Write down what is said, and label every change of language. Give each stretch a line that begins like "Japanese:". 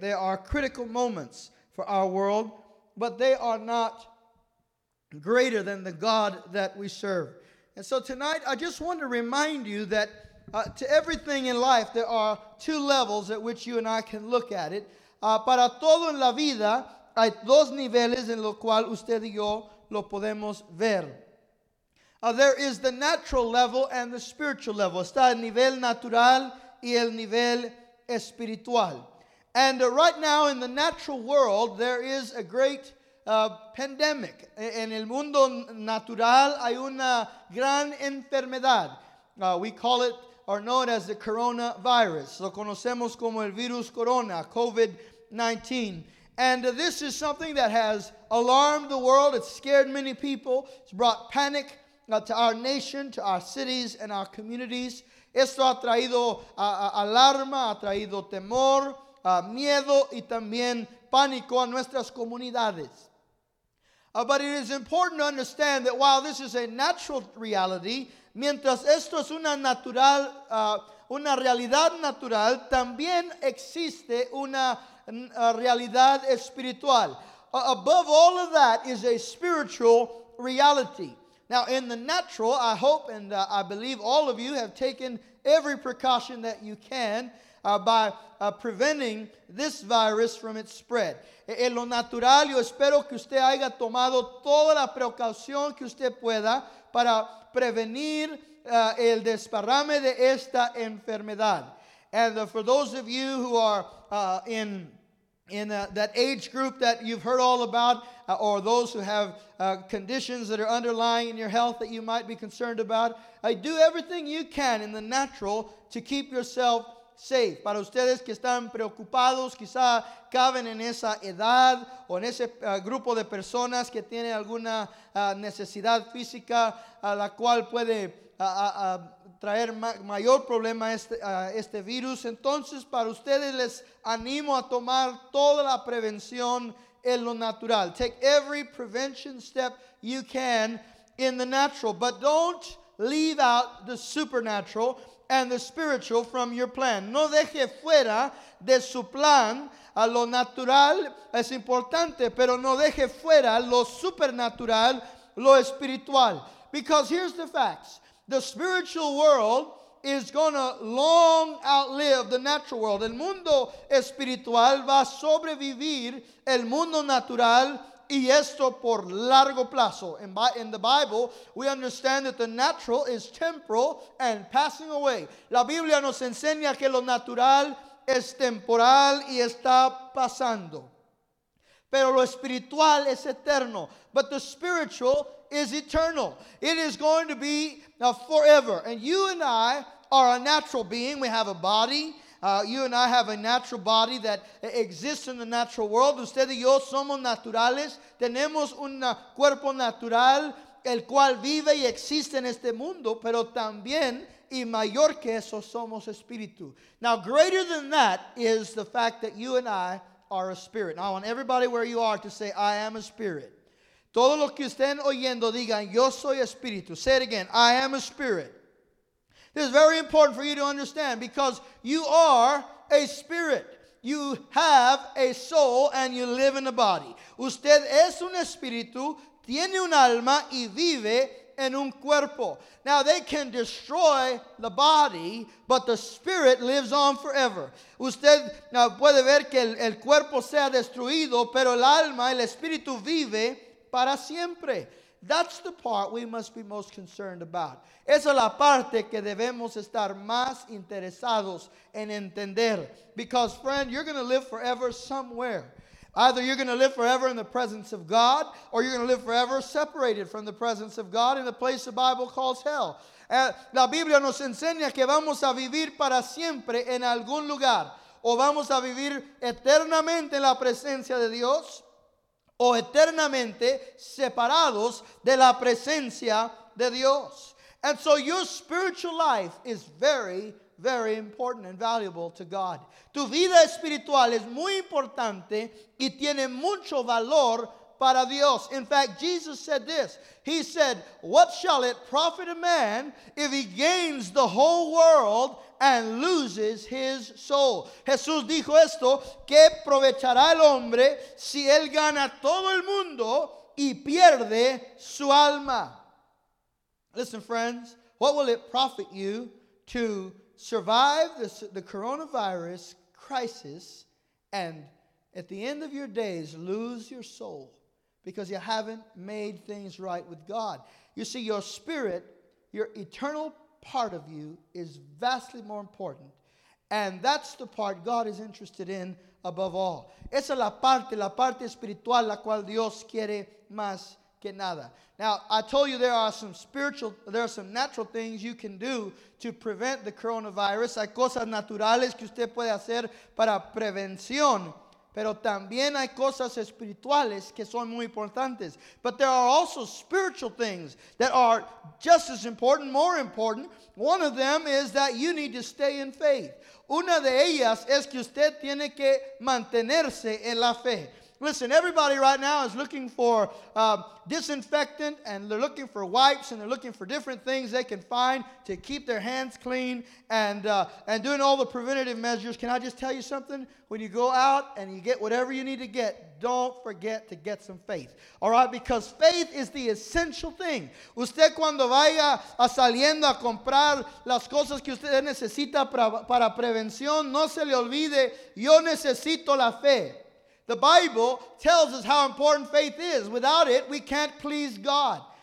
English: There are critical moments for our world, but they are not greater than the God that we serve. And so tonight, I just want to remind you that to everything in life, there are two levels at which you and I can look at it.
Spanish: Para todo en la vida, hay dos niveles en los cuales usted y yo lo podemos ver.
English: There is the natural level and the spiritual level.
Spanish: Está el nivel natural y el nivel espiritual.
English: And right now in the natural world, there is a great pandemic.
Spanish: En el mundo natural hay una gran enfermedad.
English: We call it or know it as the coronavirus.
Spanish: Lo conocemos como el virus corona, COVID-19.
English: And this is something that has alarmed the world. It's scared many people. It's brought panic to our nation, to our cities, and our communities.
Spanish: Esto ha traído alarma, ha traído temor, miedo, y también pánico a nuestras comunidades.
English: But it is important to understand that while this is a natural reality,
Spanish: mientras esto es una realidad natural, también existe una realidad espiritual.
English: Above all of that is a spiritual reality. Now, in the natural, I hope and I believe all of you have taken every precaution that you can by preventing this virus from its spread.
Spanish: En lo natural, yo espero que usted haya tomado toda la precaución que usted pueda para prevenir el desparrame de esta enfermedad.
English: And for those of you who are in that age group that you've heard all about, or those who have conditions that are underlying in your health that you might be concerned about, do everything you can in the natural to keep yourself safe.
Spanish: Para ustedes que están preocupados, quizá caben en esa edad o en ese grupo de personas que tienen alguna necesidad física a la cual puede traer mayor problema este virus. Entonces, para ustedes les animo a tomar toda la prevención en lo natural.
English: Take every prevention step you can in the natural, but don't leave out the supernatural and the spiritual from your plan.
Spanish: No deje fuera de su plan a lo natural, es importante, pero no deje fuera lo supernatural, lo espiritual.
English: Because here's the facts. The spiritual world is going to long outlive the natural world.
Spanish: El mundo espiritual va a sobrevivir el mundo natural, y esto por largo plazo.
English: In the Bible, we understand that the natural is temporal and passing away.
Spanish: La Biblia nos enseña que lo natural es temporal y está pasando. Pero lo espiritual es eterno.
English: But the spiritual is eternal. It is going to be forever. And you and I are a natural being. We have a body. You and I have a natural body that exists in the natural world.
Spanish: Usted y yo somos naturales. Tenemos un cuerpo natural el cual vive y existe en este mundo. Pero también y mayor que eso somos espíritu.
English: Now greater than that is the fact that you and I are a spirit. Now I want everybody where you are to say, I am a spirit. Todo lo que estén oyendo digan, yo soy espíritu. Say it again, I am a spirit. This is very important for you to understand because you are a spirit. You have a soul and you live in a body.
Spanish: Usted es un espíritu, tiene un alma y vive en un cuerpo.
English: Now they can destroy the body, but the spirit lives on forever.
Spanish: Usted puede ver que el cuerpo sea destruido, pero el alma, el espíritu vive para siempre.
English: That's the part we must be most concerned about.
Spanish: Esa es la parte que debemos estar más interesados en entender.
English: Because, friend, you're going to live forever somewhere. Either you're going to live forever in the presence of God, or you're going to live forever separated from the presence of God in the place the Bible calls hell.
Spanish: La Biblia nos enseña que vamos a vivir para siempre en algún lugar. O vamos a vivir eternamente en la presencia de Dios, o eternamente separados de la presencia de Dios.
English: And so your spiritual life is very, very important and valuable to God.
Spanish: Tu vida espiritual es muy importante y tiene mucho valor para Dios.
English: In fact, Jesus said this. He said, what shall it profit a man if he gains the whole world and loses his soul?
Spanish: Jesús dijo esto, ¿qué aprovechará el hombre si él gana todo el mundo y pierde su alma?
English: Listen, friends, what will it profit you to survive the coronavirus crisis and at the end of your days lose your soul because you haven't made things right with God? You see, your spirit, your eternal part of you is vastly more important. And that's the part God is interested in above all.
Spanish: Esa es la parte espiritual la cual Dios quiere más que nada.
English: Now, I told you there are some natural things you can do to prevent the coronavirus.
Spanish: Hay cosas naturales que usted puede hacer para prevención. Pero también hay cosas espirituales que son muy importantes.
English: But there are also spiritual things that are just as important, more important. One of them is that you need to stay in faith.
Spanish: Una de ellas es que usted tiene que mantenerse en la fe.
English: Listen, everybody right now is looking for disinfectant, and they're looking for wipes, and they're looking for different things they can find to keep their hands clean and doing all the preventative measures. Can I just tell you something? When you go out and you get whatever you need to get, don't forget to get some faith. All right? Because faith is the essential thing.
Spanish: Usted cuando vaya a saliendo a comprar las cosas que usted necesita para prevención, no se le olvide, yo necesito la fe.
English: The Bible tells us how important faith is. Without it, we can't please God.